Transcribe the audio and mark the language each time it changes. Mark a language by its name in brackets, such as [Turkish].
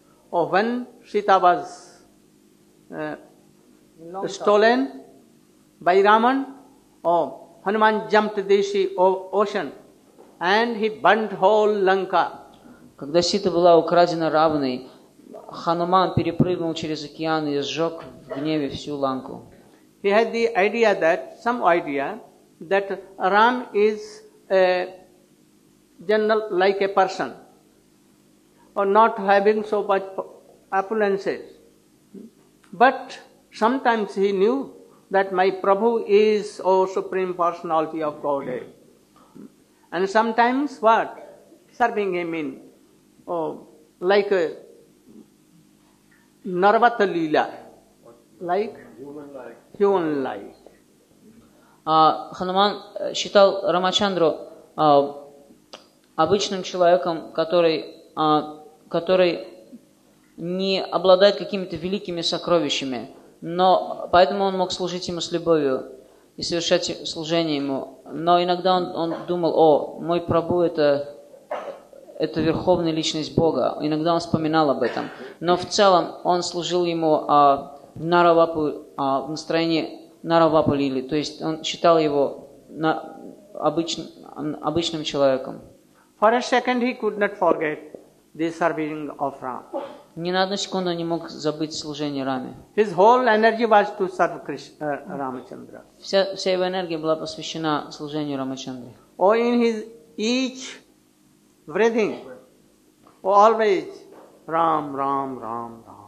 [English] Oh, when Sita was stolen by Raman, oh, Hanuman jumped the ocean and he burnt whole Lanka. [Russian] Когда Сита была украдена Раваной, Хануман перепрыгнул через океан и сжег в гневе всю Ланку. [English] He had the idea that some idea that Ram is a general like a person or not having so much opulences. But sometimes he knew that my Prabhu is O Supreme Personality of Godhead. And sometimes what? Serving him in like a Narvata Leela. Like? Human-like. [Russian] Хануман считал Рамачандру обычным человеком, который не обладает какими-то великими сокровищами, но поэтому он мог служить ему с любовью и совершать служение ему. Но иногда он думал, о, мой Прабху это верховная личность Бога. Иногда он вспоминал об этом. Но в целом он служил ему в настроении Наравапу Лили, то есть он считал его обычным человеком. [English] For a second he could not forget the serving of Ram. [Russian] Ни на одну секунду не мог забыть служение Раме. [English] His whole energy was to serve Рамачандра. [Russian] Вся его энергия была посвящена служению Рамачандре. [English] Or in his each breathing, always Ram, Ram, Ram.